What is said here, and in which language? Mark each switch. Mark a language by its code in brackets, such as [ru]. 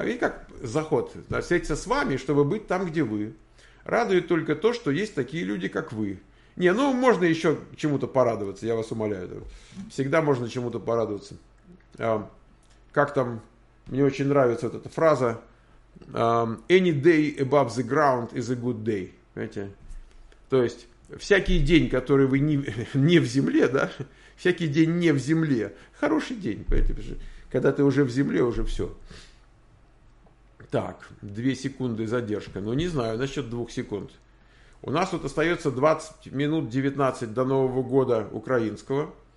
[ru] Видите, как заход? Да, встретиться с вами, чтобы быть там, где вы. Радует только то, что есть такие люди, как вы. Не, ну можно еще чему-то порадоваться, я вас умоляю. Всегда можно чему-то порадоваться. Как там, мне очень нравится вот эта фраза. [en] Any day above the ground is a good day. [ru] Понимаете? То есть, всякий день, который вы не в земле, да? Всякий день не в земле. Хороший день. Понимаете? Когда ты уже в земле, уже все. Так, 2 секунды задержка. Ну не знаю, насчет 2 секунд. У нас тут остается 20 минут 19 до Нового года украинского.